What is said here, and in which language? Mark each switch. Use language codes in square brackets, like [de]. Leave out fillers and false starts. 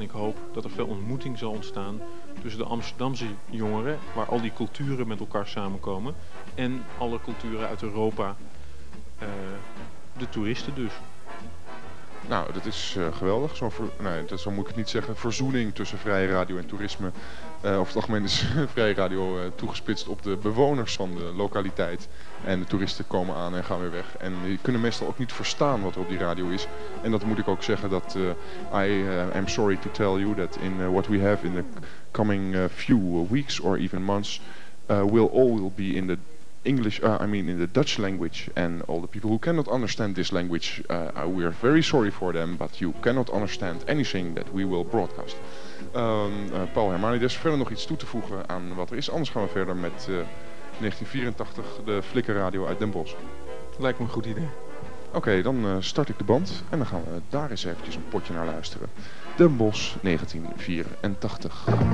[nl] En ik hoop dat er veel ontmoeting zal ontstaan tussen de Amsterdamse jongeren, waar al die culturen met elkaar samenkomen, en alle culturen uit Europa, de toeristen dus. Nou, dat is geweldig. Zo moet ik het niet zeggen. Verzoening tussen Vrije Radio en toerisme. Over het algemeen is Vrije Radio toegespitst op de bewoners van de lokaliteit. En de toeristen komen aan en gaan weer weg. En die kunnen meestal ook niet verstaan wat er op die radio is. En dat moet ik ook zeggen dat [en] I am sorry to tell you that in what we have in the coming few weeks or even months, we'll all be in the English, in the Dutch language, and all the people who cannot understand this language, we are very sorry for them, but you cannot understand anything that we will broadcast. [nl] Paul Hermanides, verder nog iets toe te voegen aan wat er is, anders gaan we verder met 1984, de Flikker Radio uit Den Bosch. Lijkt me een goed idee. Oké, dan start ik de band en dan gaan we daar eens eventjes een potje naar luisteren. Den Bosch, 1984.